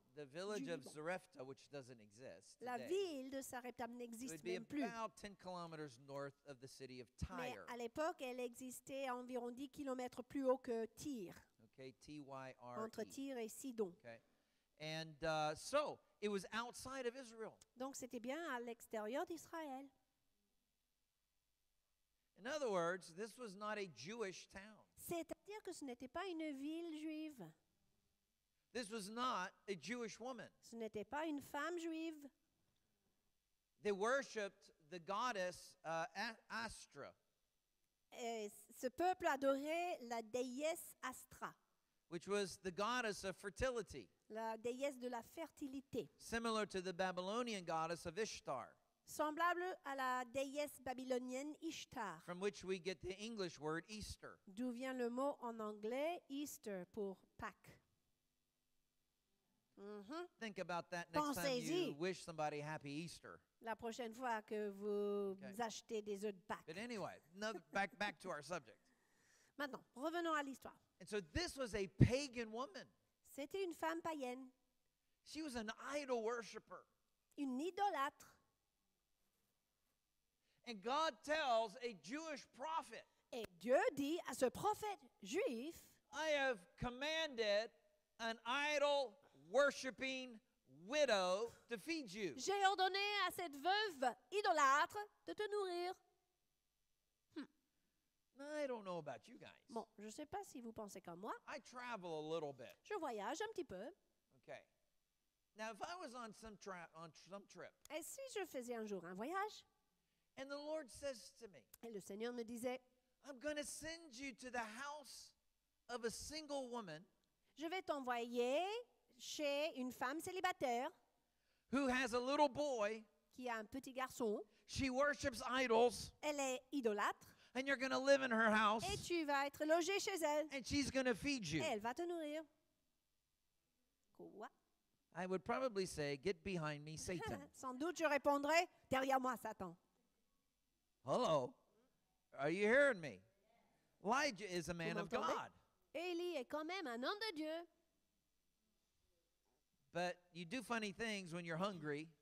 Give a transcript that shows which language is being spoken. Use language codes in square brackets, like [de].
[en] the village of Zarephath, which doesn't exist today, [fr] la ville de Zarephath n'existe même plus. [en] It would be about 10 kilometers north of the city of Tyre. [fr] Mais à l'époque, elle existait à environ 10 kilomètres plus haut que Tyr. [en] Okay, T-Y-R-E. [fr] Entre Tyr et Sidon. [en] Okay. And so it was outside of Israel. [fr] Donc c'était bien à l'extérieur d'Israël. [en] In other words, this was not a Jewish town. [fr] C'est-à-dire que ce n'était pas une ville juive. [en] This was not a Jewish woman. [fr] Ce n'était pas une femme juive. [en] They worshipped the goddess Astra. [fr] Et ce peuple adorait la déesse Astra. [en] Which was the goddess of fertility. [fr] La déesse de la fertilité. [en] Similar to the Babylonian goddess of Ishtar. [fr] Semblable à la déesse babylonienne Ishtar. [en] From which we get the English word Easter. [fr] D'où vient le mot en anglais Easter pour Pâques. Mm-hmm. [en] Think about that next [fr] Pensez-y. [en] Time you wish somebody happy Easter. [fr] La prochaine fois que vous okay. achetez des œufs de Pâques. [en] But anyway, back to our subject. [fr] Maintenant, revenons à l'histoire. [en] And so this was a pagan woman. [fr] C'était une femme païenne. [en] She was an idol worshipper. [fr] Une idolâtre. [en] And God tells a Jewish prophet. [fr] Et Dieu dit à ce prophète juif. [en] I have commanded an idol worshipping widow to feed you. [fr] J'ai ordonné à cette veuve idolâtre de te nourrir. [en] I don't know about you guys. [fr] Bon, je sais pas si vous pensez comme moi. [en] I travel a little bit. [fr] Je voyage un petit peu. [en] Okay. Now, if I was on some trip. [fr] Et si je faisais un jour un voyage? [en] And the Lord says to me. [fr] Et le Seigneur me disait. [en] I'm going to send you to the house of a single woman. [fr] Je vais t'envoyer chez une femme célibataire. [en] Who has a little boy. [fr] Qui a un petit garçon. [en] She worships idols. [fr] Elle est idolâtre. [en] And you're going to live in her house. [fr] Et tu vas être logé chez elle. [en] And she's going to feed you. [fr] Et elle va te nourrir. Quoi? [en] I would probably say, get behind me, Satan. [fr] Sans doute, je répondrais, derrière moi, Satan. [en] Hello. Are you hearing me? Elijah is a man of God. [fr] Élie est quand même un homme de Dieu. [en] But you do funny things when you're hungry.